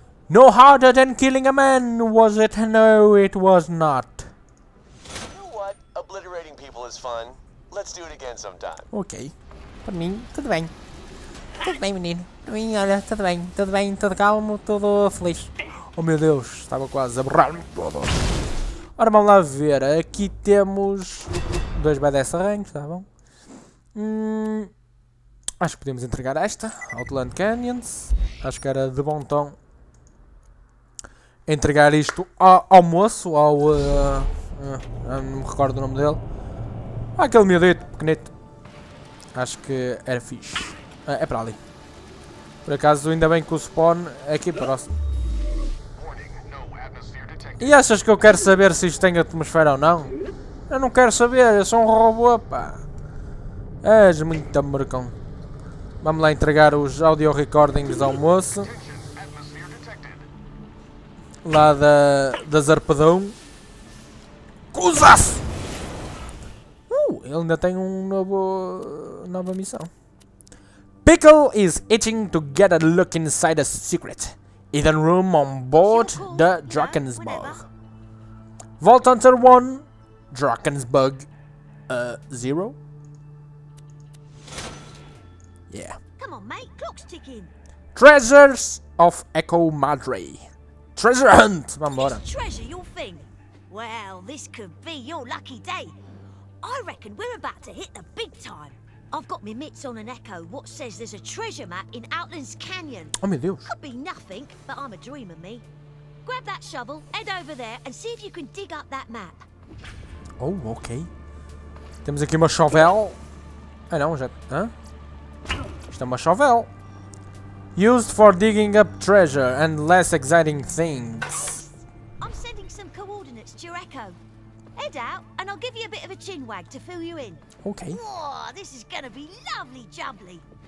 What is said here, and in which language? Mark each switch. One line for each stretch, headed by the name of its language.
English: No harder than killing a man, was it? No, it was not. You know what? Obliterating people is fun. Let's do it again sometime.
Portuguese: Ok. Por mim, tudo bem. Tudo bem, menino. Por mim, olha, tudo bem. Tudo bem, tudo calmo, tudo feliz. Oh meu Deus, estava quase a borrar-me. Ora, vamos lá ver. Aqui temos dois BDS arranques, tá bom? Acho que podemos entregar esta, Outland Canyons. Acho que era de bom tom entregar isto ao moço, não me recordo o nome dele. Aquele miudito, pequenito. Acho que era fixe. É para ali. Por acaso, ainda bem que o spawn é aqui próximo. E achas que eu quero saber se isto tem atmosfera ou não? Eu não quero saber, eu sou um robô, pá. És muito amorcão. Vamos lá entregar os audio recordings ao moço. Lá da Zarpedão. Cusaço! Ele ainda tem um nova missão.
English: Pickle is itching to get a look inside a secret. Hidden room on board the Drakensberg. Vault Hunter 1, Drakensberg 0. Yeah. Come on, mate, clock's ticking. Treasures of Echo Madre. Treasure hunt!
Portuguese: Vambora.
English: Is treasure your thing? Well, this could be your lucky day. I reckon we're about to hit the big time. I've got my mitts on an echo what says there's a treasure map in Outlands Canyon.
Portuguese: Oh, meu Deus.
English: Could be nothing, but I'm a dreamer, me. Grab that shovel, head over there and see if you can dig up that map. Oh, ok.
Portuguese: Temos aqui uma chovel. Ah, não, já. Hã? Isto é uma chovel.
English: Used for digging up treasure and less exciting things. I'm sending some coordinates to your Echo. Head out and I'll give you a bit of a chin wag to fill you in. Okay. Oh, this is gonna be lovely jubbly.